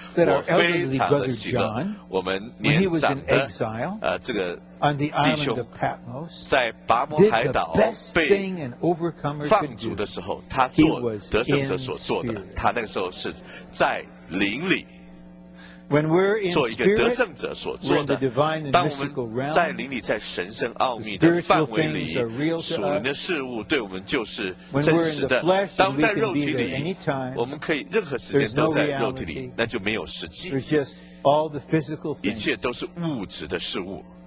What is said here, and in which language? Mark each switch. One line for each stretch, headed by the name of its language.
Chinese: 我非常的喜乐，我们年长的这个弟兄在拔摩海岛被放逐的时候，他做得胜者所做的，他那个时候是在灵里。
English: When we're in spirit, we're in the divine and mystical realm.
Chinese: 在灵里，在神圣奥秘的范围里，属灵的事物对我们就是真实的。当在肉体里，我们可以任何时间都在肉体里，那就没有实际。
English: There's just all the physical things.
Chinese: 一切都是物质的事物。